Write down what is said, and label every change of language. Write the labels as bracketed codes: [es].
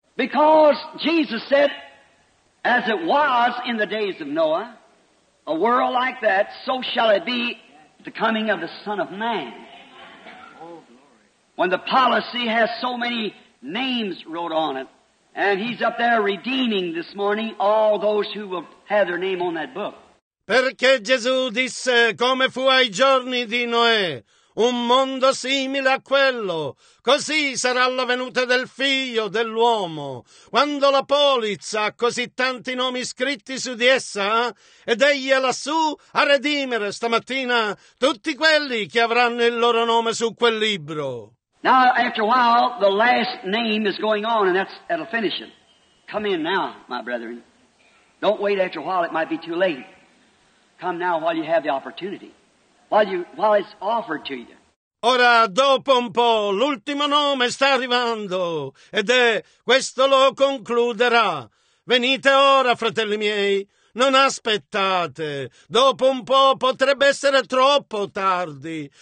[en] Because Jesus said, as it was in the days of Noah, a world like that, so shall it be the coming of the Son of Man. When the policy has so many names wrote on it, and he's up there redeeming this morning all those who will have their name on that book. [it] Perché Gesù disse, come fu ai giorni di Noè, un mondo simile a quello, così sarà la venuta del figlio dell'uomo, quando la polizza ha così tanti nomi scritti su di essa, ed egli è lassù a redimere stamattina tutti quelli che avranno il loro nome su quel libro. [en] Now, after a while, the last name is going on, and that'll finish it. Come in now, my brethren. Don't wait after a while, it might be too late. Come now while you have the opportunity. While it's offered to you. [it] Ora, dopo un po', l'ultimo nome sta arrivando, ed è questo lo concluderà. Venite ora, fratelli miei, non aspettate. Dopo un po' potrebbe essere troppo tardi.